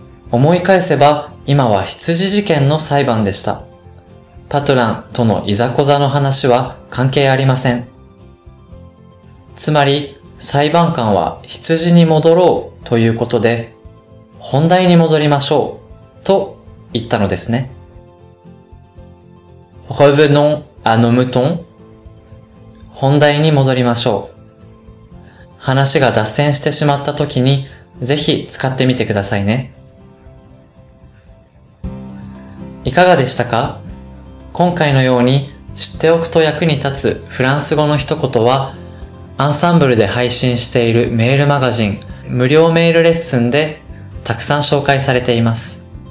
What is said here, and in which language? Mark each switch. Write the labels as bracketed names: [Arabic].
[Japanese] 思い返せば今は羊事件の裁判でした。パトランとのいざこざの話は関係ありません。つまり裁判官は羊に戻ろうということで、本題に戻りましょうと言ったのですね。 [French] Revenons à nos moutons。 [Japanese] 本題に戻りましょう。話が脱線してしまった時にぜひ使ってみてくださいね。いかがでしたか？今回のように知っておくと役に立つフランス語の一言は、アンサンブルで配信しているメールマガジン、無料メールレッスンでたくさん紹介されています。